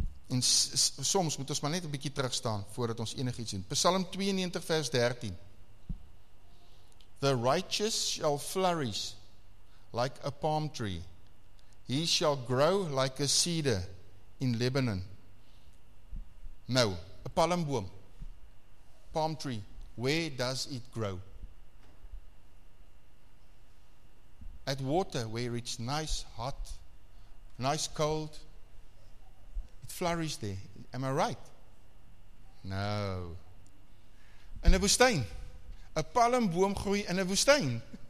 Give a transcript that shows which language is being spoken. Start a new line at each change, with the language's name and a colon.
Afrikaans: En soms moet ons maar net een bietjie terugstaan, voordat ons enig iets doen. Psalm 92 vers 13.
English: The righteous shall flourish like a palm tree. He shall grow like a cedar in Lebanon. Nou, a palmboom, palm tree, where does it grow? At water, where it's nice, hot, nice, cold, it flourishes there. Am I right? No. In a woestijn.
Afrikaans: A palmboom groei in a woestijn.